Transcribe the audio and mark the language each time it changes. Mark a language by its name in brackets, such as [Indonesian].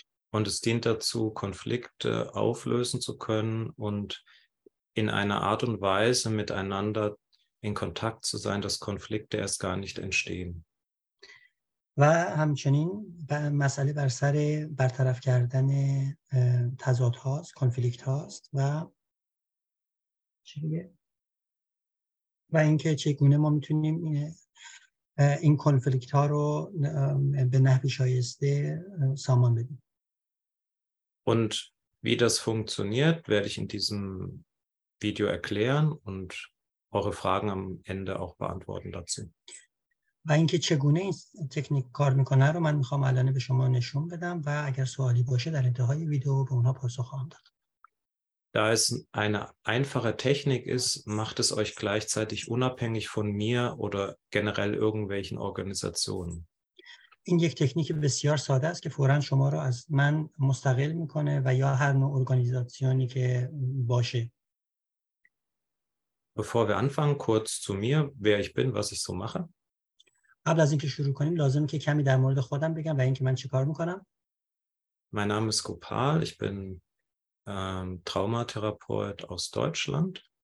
[German] Und es dient dazu, Konflikte auflösen zu können und in einer Art und Weise miteinander in Kontakt zu sein, dass Konflikte erst gar nicht entstehen. [Persian] و همچنین مسئله بر سر برطرف کردن تضاد هاست، کنفلیکت هاست و چیه؟ و اینکه چگونه ما میتونیم این کنفلیکت ها رو به نحوی شایسته سامان بدیم. [German] Und wie das funktioniert, werde ich in diesem Video erklären und eure Fragen am Ende auch beantworten dazu. [Persian] و اینکه چگونه این تکنیک کار میکنه رو من میخوام الان به شما نشون بدم و اگر سوالی باشه در انتهای ویدیو به اونها پاسخ خواهم داد. [German] Da es eine einfache Technik ist, macht es euch gleichzeitig unabhängig von mir oder generell irgendwelchen Organisationen. [Persian] این یک تکنیک بسیار ساده است که فوراً شما رو از من مستقل میکنه و یا هر نوع ارگانیزاسیونی که باشه. [German] Bevor wir anfangen, kurz zu mir, wer ich bin, was ich so mache. [Persian] قبل از اینکه شروع کنیم لازم که کمی در مورد خودم بگم و اینکه من چه کار میکنم. [German] Mein Name ist Gopal, ich bin Traumatherapeut aus Deutschland.